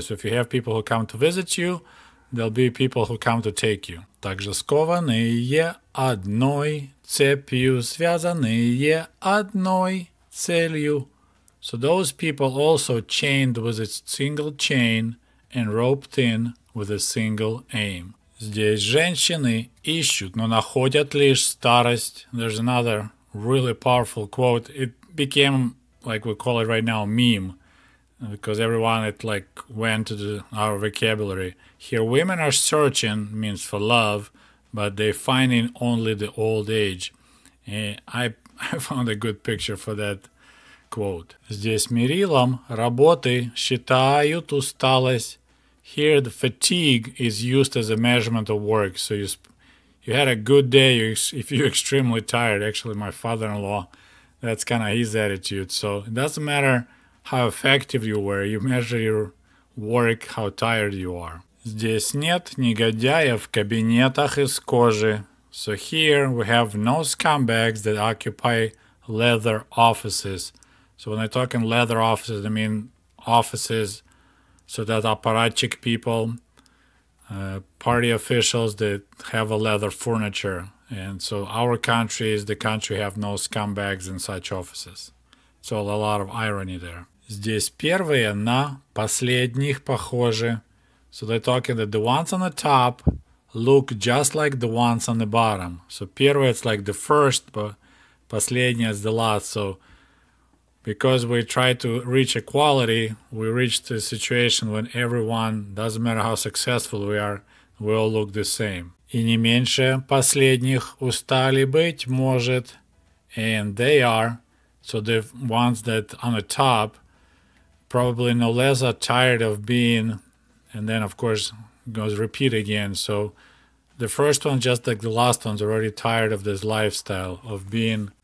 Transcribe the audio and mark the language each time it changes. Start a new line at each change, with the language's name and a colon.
English: So if you have people who come to visit you, there'll be people who come to take you.
Russian: Также скованные одной цепью, связанные одной целью.
English: So those people also chained with a single chain and roped in with a single aim.
Russian: Здесь женщины ищут, но находят лишь старость.
English: There's another really powerful quote. It became, like we call it right now, meme. Because everyone, it like went to our vocabulary. Here, women are searching, means for love, but they're finding only the old age. I found a good picture for that quote.
Russian: Здесь мерилом работы считают усталость.
English: Here the fatigue is used as a measurement of work. So you had a good day if you're extremely tired. Actually, my father-in-law, that's kind of his attitude. So it doesn't matter how effective you were. You measure your work how tired you are.
Russian: Здесь нет негодяев в кабинетах из кожи.
English: So here we have no scumbags that occupy leather offices. So when I talk in leather offices, I mean offices, so that apparatchik people, party officials that have a leather furniture. And so our country is the country have no scumbags in such offices. So a lot of irony there.
Russian: Здесь первые на последних похожи.
English: So they're talking that the ones on the top look just like the ones on the bottom. So первое, it's like the first, but последнее is the last. So because we try to reach equality, we reach the situation when everyone, doesn't matter how successful we are, we all look the same.
Russian: И не меньше последних устали быть, может.
English: And they are, so the ones that on the top, probably no less are tired of being. And then, of course, goes repeat again. So the first one, just like the last one, is already tired of this lifestyle of being.